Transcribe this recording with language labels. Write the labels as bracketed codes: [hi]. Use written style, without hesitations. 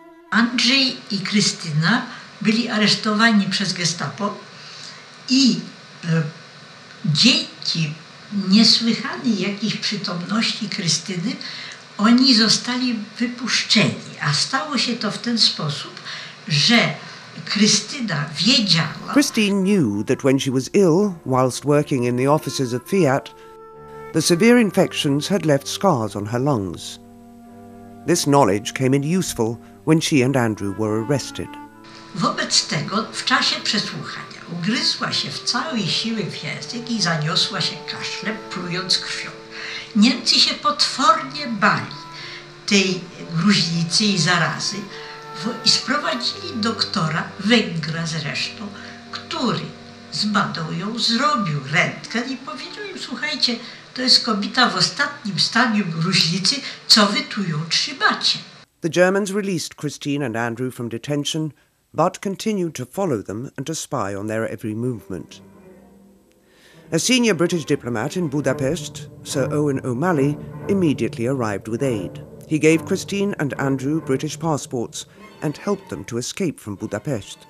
[pl] Andrzej i Krystyna byli aresztowani przez Gestapo i dzięki niesłychanej jakiejś przytomności Krystyny oni zostali wypuszczeni, a stało się to w ten sposób, że Krystyna wiedziała. [en] Christine knew that when she was ill, whilst working in the offices of Fiat, the severe infections had left scars on her lungs. This knowledge came in useful when she and Andrew were arrested. [pl] Wobec tego w czasie przesłuchania ugryzła się w całej siły w język i zaniosła się kaszlem, plując krwią. Niemcy się potwornie bali tej gruźlicy i zarazy i sprowadzili doktora, Węgra zresztą, który zbadał ją, zrobił rentgen i powiedział im: słuchajcie, to jest kobieta w ostatnim stadium gruźlicy, co wy tu ją trzymacie? [en] The Germans released Christine and Andrew from detention, but continued to follow them and to spy on their every movement. A senior British diplomat in Budapest, Sir Owen O'Malley, immediately arrived with aid. He gave Christine and Andrew British passports and helped them to escape from Budapest.